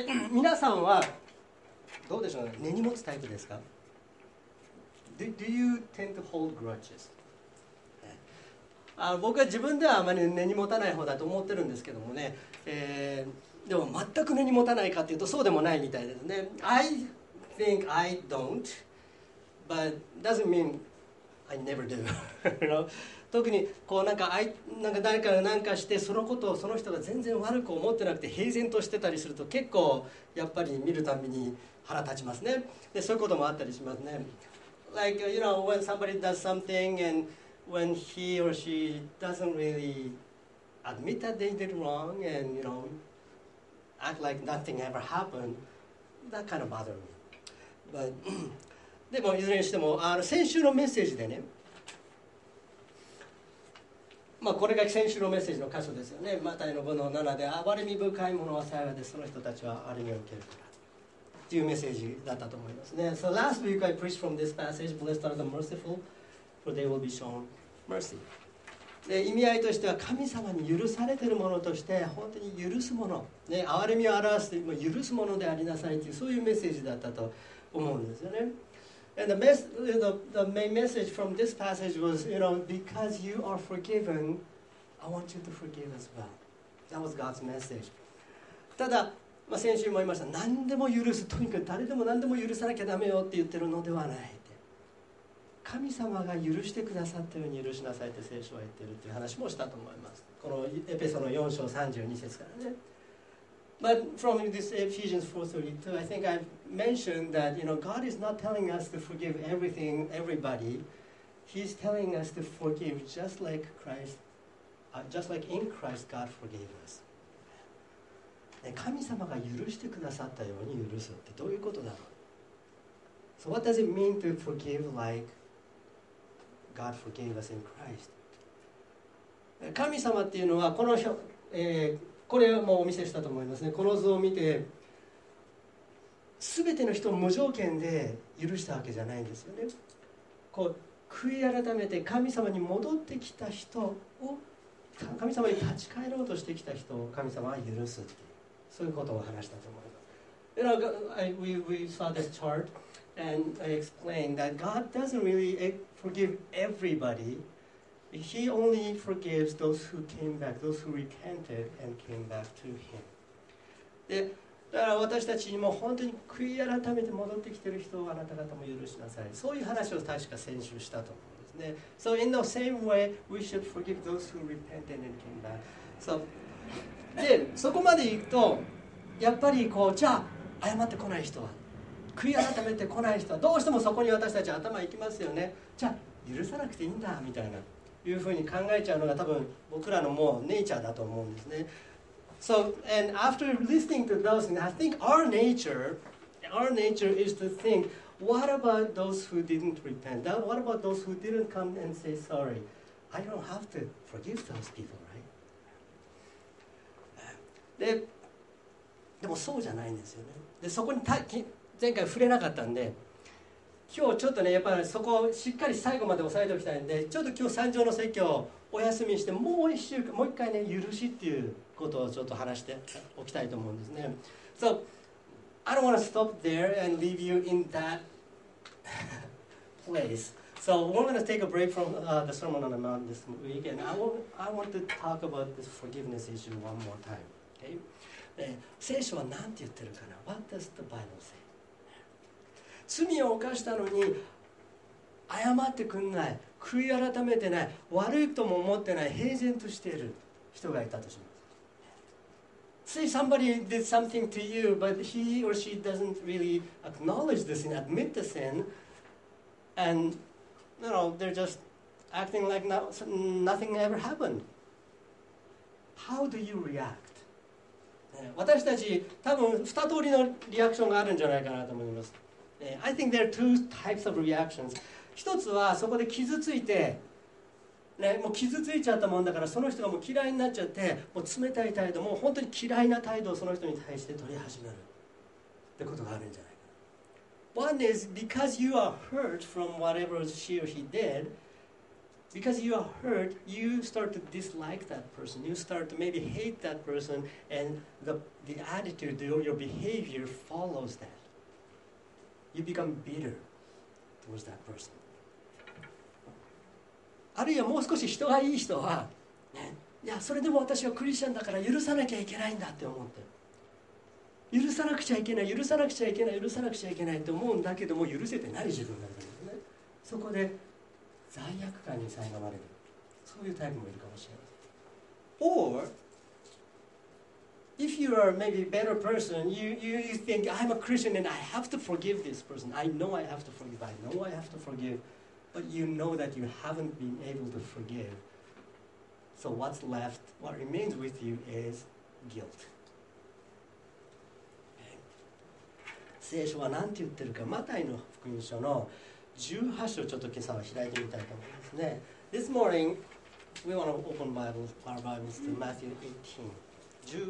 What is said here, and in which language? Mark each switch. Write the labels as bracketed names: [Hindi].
[Japanese] 皆さんはどうでしょうね、根に持つタイプですか？ [English] Do you tend to hold grudges? [Japanese] 僕は自分ではあまり根に持たない方だと思ってるんですけどもね、でも全く根に持たないかというとそうでもないみたいですね。 [English] I think I don't, but doesn't mean I never do. [Japanese] 特にこうなんか誰かが何かしてそのことをその人が全然悪く思ってなくて平然としてたりすると結構やっぱり見るたびに腹立ちますね。でそういうこともあったりしますね。 [English] Like, you know, when somebody does something and when he or she doesn't really admit that they did wrong and, you know, act like nothing ever happened, that kind of bothered me. But, [Japanese] でもいずれにしても先週のメッセージでね、まあ、これが先週のメッセージの箇所ですよね。マタイの5の7で、憐れみ深いものは幸いです、その人たちは憐れみを受けるからというメッセージだったと思いますね。 [English] So last week I preached from this passage, Blessed are the merciful, for they will be shown mercy. [Japanese] で意味合いとしては神様に許されているものとして本当に許すもの、ね、憐れみを表す、許すものでありなさいというそういうメッセージだったと思うんですよね。 [English] And the main message from this passage was, you know, because you are forgiven, I want you to forgive as well. That was God's message. [Japanese] ただ、まあ、先週も言いました。何でも許す。とにかく誰でも何でも許さなきゃダメよって言ってるのではないって。神様が許してくださったように許しなさいって聖書は言ってるっていう話もしたと思います。このエペソの4章32節からね。 [English] But from this Ephesians 4:32, I think I've mentioned that, you know, God is not telling us to forgive everything, everybody. He's telling us to forgive just like Christ, just like in Christ God forgave us. [Japanese] 神様が許してくださったように許すってどういうことだろう? [English] So what does it mean to forgive like God forgave us in Christ? [Japanese] 神様っていうのはこの、これもお見せしたと思いますね。この図を見て、すべての人を無条件で許したわけじゃないんですよね。こう悔い改めて神様に戻ってきた人を、神様に立ち返ろうとしてきた人を神様は許すっていう、そういうことを話したと思います。 [English] You know, we saw this chart and I explained that God doesn't really forgive everybody. He only forgives those who came back, those who repented and came back to Him. [Japanese] で、だから私たちにも本当に悔い改めて戻ってきている人をあなた方も許しなさい。そういう話を確か先週したと思うんですね。 [English] So in the same way, we should forgive those who repented and came back. So, [Japanese] で、そこまで行くと、やっぱりこう、じゃあ謝ってこない人は、悔い改めて来ない人は、どうしてもそこに私たち頭行きますよね。じゃあ許さなくていいんだみたいな。いうふうに考えちゃうのが多分僕らのもうネイチャーだと思うんですね。 [English] So, and after listening to those things, I think our nature is to think, what about those who didn't repent? What about those who didn't come and say sorry? I don't have to forgive those people, right? [Japanese] でもそうじゃないんですよね。でそこに前回触れなかったんで、今日ちょっとね、やっぱりそこをしっかり最後まで押さえておきたいんで、ちょっと今日三条の説教をお休みして、もう一週間、もう一回ね、許しっていうことをちょっと話しておきたいと思うんですね。 [English] So, I don't want to stop there and leave you in that place. So, we're going to take a break from the Sermon on the Mount this week, and I want to talk about this forgiveness issue one more time. Okay? [Japanese] 聖書は何て言ってるかな? [English] What does the Bible say? [Japanese] 罪を犯したのに謝ってくんない、悔い改めてない、悪いとも思ってない、平然としている人がいたとします。 [English] Say somebody did something to you but he or she doesn't really acknowledge the sin, admit the sin, and you know they're just acting like nothing ever happened. How do you react? [Japanese] 私たち多分2通りのリアクションがあるんじゃないかなと思います。 [English] I think there are two types of reactions. [Japanese] 一つはそこで傷ついて、ね、もう傷ついちゃったもんだから、その人がもう嫌いになっちゃって、もう冷たい態度、もう本当に嫌いな態度をその人に対して取り始めるってことがあるんじゃないか。 [English] One is because you are hurt from whatever she or he did, Because you are hurt, you start to dislike that person. You start to maybe hate that person, and the attitude, your behavior follows that. You become bitter towards that person. [Japanese] あるいはもう少し人がいい人は、ね、いやそれでも私はクリスチャンだから許さなきゃいけないんだって思ってる。許さなくちゃいけない、許さなくちゃいけない、許さなくちゃいけないって思うんだけども許せてない自分なんだよね。そこで罪悪感に苛まれる。そういうタイプもいるかもしれない。 [English] Or if you are maybe a better person, you think I'm a Christian and I have to forgive this person. I know I have to forgive. But you know that you haven't been able to forgive. So what's left, what remains with you is guilt. [Japanese] 聖書は何て言ってるか、マタイの福音書の18章ちょっと今朝は開いてみたいと思いますね。 [English] This morning, we want to open Bible, our Bibles to Matthew 18.